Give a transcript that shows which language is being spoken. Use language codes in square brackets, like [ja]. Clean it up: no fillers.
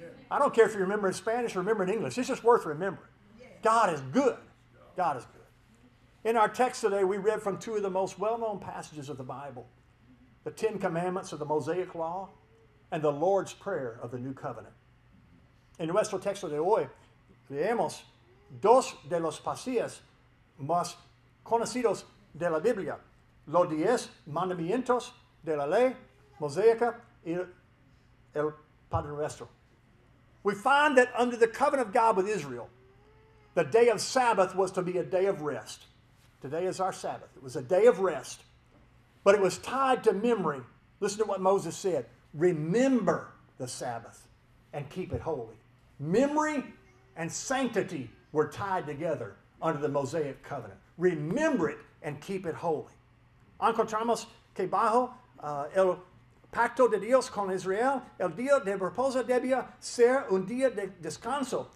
[en] I don't care if you remember in Spanish or remember in English. It's just worth remembering. God is good. God is good. In our text today, we read from two of the most well-known passages of the Bible, the Ten Commandments of the Mosaic Law and the Lord's Prayer of the New Covenant. [es] En nuestro texto de hoy, leemos dos de los pasajes más conocidos de la Biblia, los diez mandamientos de la ley mosaica y el Padre Nuestro. [en] We find that under the covenant of God with Israel, the day of Sabbath was to be a day of rest. Today is our Sabbath. It was a day of rest, but it was tied to memory. Listen to what Moses said. Remember the Sabbath and keep it holy. Memory and sanctity were tied together under the Mosaic Covenant. Remember it and keep it holy. [es] Encontramos que bajo el pacto de Dios con Israel, el día de reposo debía ser un día de descanso.